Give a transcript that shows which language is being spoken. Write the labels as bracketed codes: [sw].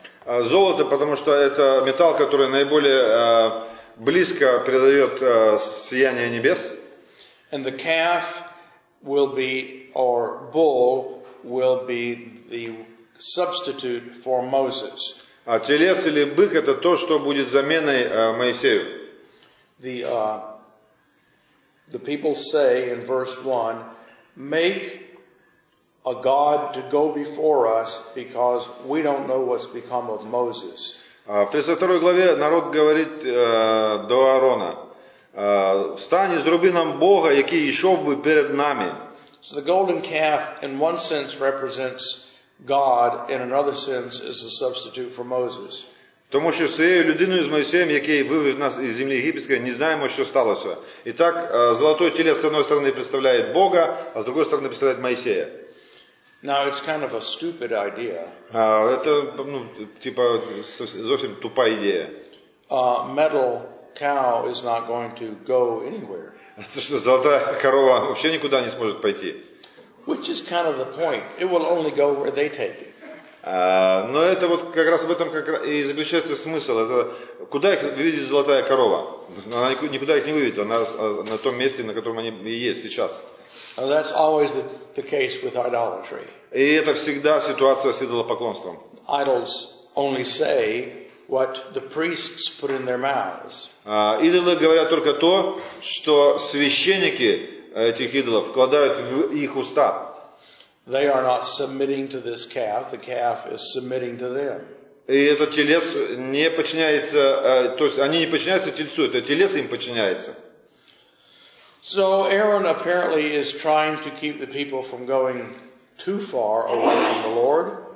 [ru] Золото, потому что это металл, который наиболее близко передает сияние небес. [en] And the calf will be, or bull will be the substitute for Moses. [ru] А телец или бык это то, что будет заменой Моисею. [en] The people say in verse 1, make a god to go before us because we don't know what's become of Moses. [ru] В 32 главе народ говорит до Аарона, встань и сруби нам Бога, [uk] який йшов би перед нами. [en] So the golden calf in one sense represents God, in another sense is a substitute for Moses. [uk] Тому що з цією людиною, з Моїсеєм, який вивів нас із землі Єгипетської, не знаємо, що сталося. І так, золотой тілець, з одної сторони, представляє Бога, а з другої сторони, представляє Моїсея. [en] Now, it's kind of a stupid idea. [uk] Це, ну, типа, зовсім тупа ідея. [en] A metal cow is not going to go anywhere. [uk] Золота корова взагалі нікуди не зможе пойти. [en] Which is kind of the point. It will only go where they take it. [ru] Но это вот как раз в этом как и заключается смысл. Это куда их выведет золотая корова? Она никуда их не выведет, она на том месте, на котором они и есть сейчас. [en] And that's always the case with idolatry. [ru] И это всегда ситуация с идолопоклонством. [en] Idols only say what the priests put in their mouths. [ru] Идолы говорят только то, что священники этих идолов вкладывают в их уста. [en] They are not submitting to this calf. The calf is submitting to them. [ru] И этот телец не подчиняется, то есть они не подчиняются тельцу, это телец им подчиняется. [en] So Aaron apparently is trying to keep the people from going too far away from the Lord.